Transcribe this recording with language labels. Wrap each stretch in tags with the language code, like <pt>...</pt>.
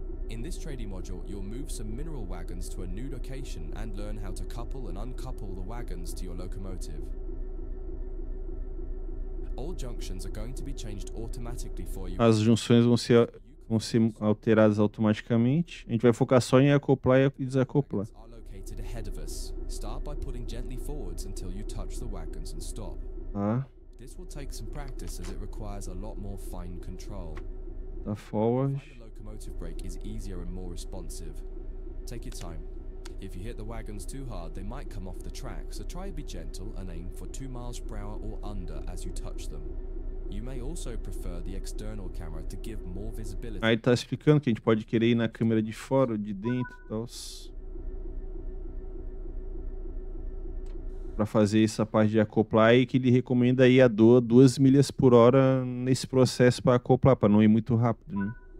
<en>In this trading module, you'll move some mineral wagons to a new location and learn how to couple and uncouple the wagons to your locomotive. All junctions are going to be changed automatically for you.</en> <pt>As junções vão ser alteradas automaticamente. A gente vai focar só em acoplar e desacoplar.</pt> <en>Are located ahead of us. Start by putting gently forwards until you touch the wagons and stop. This will take some practice as it requires a lot more fine control.</en> <pt>Tá forward.</pt> <en>Motive brake is easier and more responsive. Take your time. If you hit the wagons too hard, they might come off the track, so try to be gentle and aim for 2 miles per hour or under as you touch them. You may also prefer the external camera to give more visibility.</en> <pt>Aí tá explicando que a gente pode querer ir na câmera de fora ou de dentro, tals. Para fazer essa parte de acoplar, e que ele recomenda ir a 2 milhas por hora nesse processo para acoplar, para não ir muito rápido, né?</pt>